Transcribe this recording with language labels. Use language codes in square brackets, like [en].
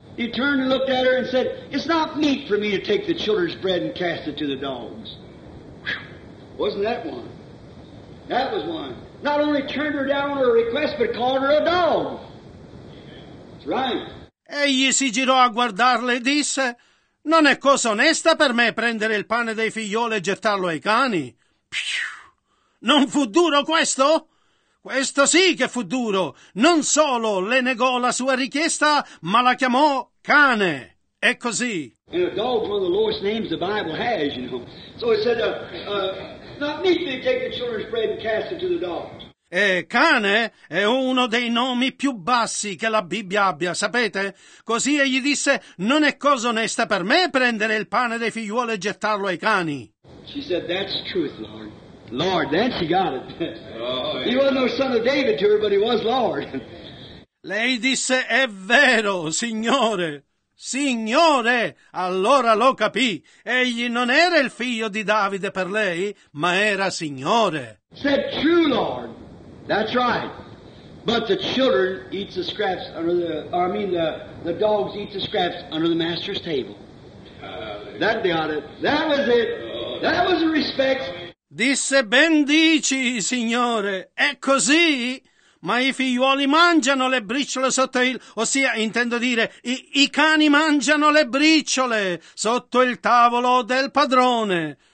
[en] He turned and looked at her and said, it's not meet for me to take the children's bread and cast it to the dogs. Wasn't that one? That was one. Not only turned her down on her request, but called her a dog. That's right. [it] Egli si girò a guardarle e disse, non è cosa onesta per me prendere il pane dei figlioli e gettarlo ai cani. Non fu duro questo? Questo sì che fu duro. Non solo le negò la sua richiesta, ma la chiamò cane. È così. [en] And a dog's one of the lowest names the Bible has, you know. So he said, not meet me, take the children's bread and cast it to the dogs. [it] E cane è uno dei nomi più bassi che la Bibbia abbia, sapete? Così egli disse, non è cosa onesta per me prendere il pane dei figliuoli e gettarlo ai cani. [en] She said, that's truth, Lord. Lord, then she got it. Oh, yeah. He wasn't no son of David to her, but he was Lord. [it] Lei disse, è vero, Signore. Signore, allora lo capì. Egli non era il figlio di Davide per lei, ma era Signore. [en] Said, true, Lord. That's right. But the children eat the scraps under the, or I mean the dogs eat the scraps under the master's table. That got it. That was it. That was the respect. [it] Disse, ben dici, Signore, è così? Ma i figliuoli mangiano le briciole sotto il... Ossia, intendo dire, i cani mangiano le briciole sotto il tavolo del padrone.